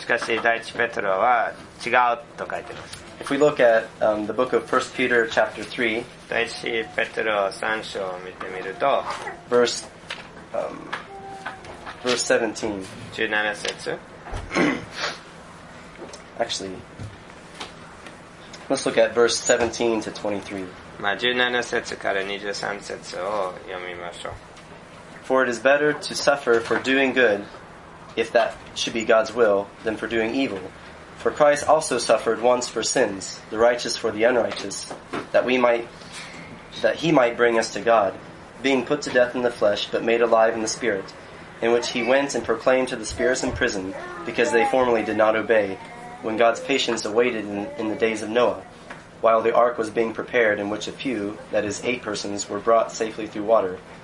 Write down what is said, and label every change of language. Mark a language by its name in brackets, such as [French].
[Japanese] しかし第一ペテロは違うと書いてます。 [English] If we look at the book of 1 Peter chapter 3, [Japanese] 第一ペテロ3章を見てみると、 [English] verse 17. [Japanese] 17節。 [English] Actually, let's look at verse 17 to 23. [Japanese] まあ17節から23節を読みましょう。 [English] For it is better to suffer for doing good, if that should be God's will, than for doing evil. For Christ also suffered once for sins, the righteous for the unrighteous, that he might bring us to God, being put to death in the flesh, but made alive in the spirit, in which he went and proclaimed to the spirits in prison, because they formerly did not obey, when God's patience awaited in the days of Noah, while the ark was being prepared, in which a few, that is 8 persons, were brought safely through water.